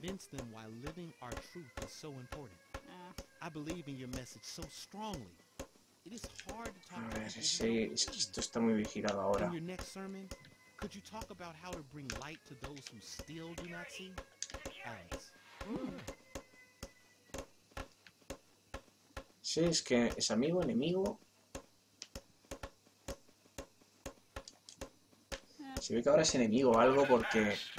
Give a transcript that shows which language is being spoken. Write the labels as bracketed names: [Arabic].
[English] Convince them why living our truth is so important. I believe in your message so strongly. It is hard to talk. [Spanish] A ver, esto está muy vigilado ahora. [English] In your next sermon, could you talk about how to bring light to those who still do not see? Alex. [Spanish] Sí, es que es amigo, enemigo. Se ve que ahora es enemigo o algo porque...